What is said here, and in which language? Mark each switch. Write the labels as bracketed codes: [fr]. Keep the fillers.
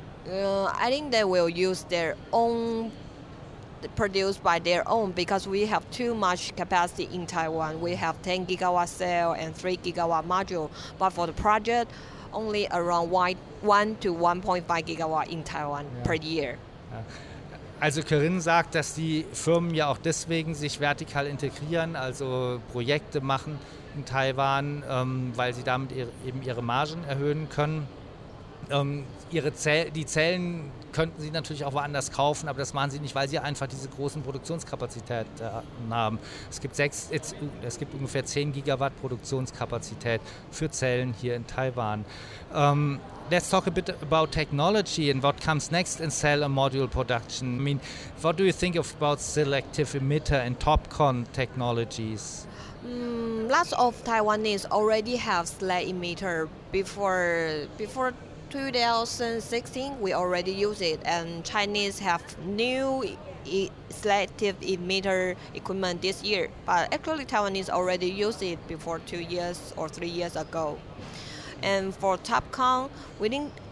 [en] Uh, I think they will use their own produced by their own because we have too much capacity in Taiwan. We have 10 gigawatt cell and 3 gigawatt module, but for the project, only around 1 to 1.5 gigawatt in Taiwan yeah. per year. Yeah. [de] Also Corinne sagt, dass die Firmen ja auch deswegen sich vertikal integrieren, also Projekte machen in Taiwan, ähm, weil sie damit ihre, eben ihre Margen erhöhen können. Ähm, ihre Zell, die Zellen könnten sie natürlich auch woanders kaufen, aber das machen sie nicht, weil sie einfach diese großen Produktionskapazitäten haben. Es gibt, sechs, es gibt ungefähr 10 Gigawatt Produktionskapazität für Zellen hier in Taiwan. [en] Um, let's talk a bit about technology and what comes next in cell and module production. I mean, what do you think of about selective emitter and TOPCon technologies? Mm, lots of Taiwanese already have sled emitter before before 2016 we already use it and chinese have new e selective emitter equipment this year but actually taiwanese already used it before two years or three years ago and for topcon we didn't